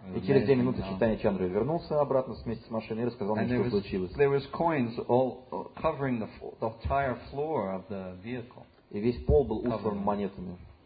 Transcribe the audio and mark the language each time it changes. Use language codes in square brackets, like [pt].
[ru] через 2 минуты Чайтанья Чандра вернулся обратно вместе с машиной и рассказал мне, что случилось. [en] There was coins all covering the entire floor of the vehicle. [ru] И весь пол был усыпан монетами.